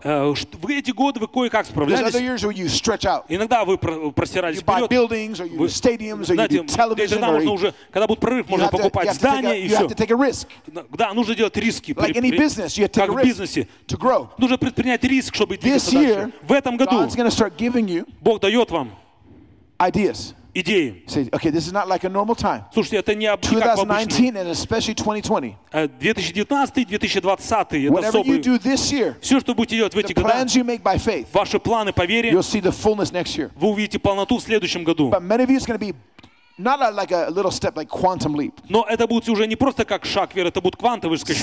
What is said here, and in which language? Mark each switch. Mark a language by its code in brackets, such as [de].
[ru] В эти годы вы кое-как справлялись. [en] There's other years where you stretch out. [ru] Иногда вы простирались вперед. [en] You buy buildings or you do stadiums or you do television. [ru] Нужно уже, когда будет прорыв, можно покупать здание и все. [en] You have to take a risk. [ru] Да, нужно делать риски. [en] Like any business, you have to take a risk. [ru] Как в бизнесе. [en] To grow. [ru] Нужно предпринять риск, чтобы двигаться дальше. [en] This year, [ru] в этом году, [en] God's going to start giving you [ru] Бог дает вам [en] ideas. [ru] Идеи. [en] Say, okay, this is not like a normal time. [ru] Слушайте, это не обычный. [en] 2019 and especially 2020. [ru] 2019-2020 это особый. [en] You do this year, [ru] все, что будете делать в эти годы, [en] plans you make by faith, [ru] ваши планы по вере, [en] you'll see the fullness next year. [ru] Вы увидите полноту в следующем году. [en] But many of you is going to be not like a little step, like quantum leap. [ru] Но это будет уже не просто как шаг веры, это будет квантовый скачок.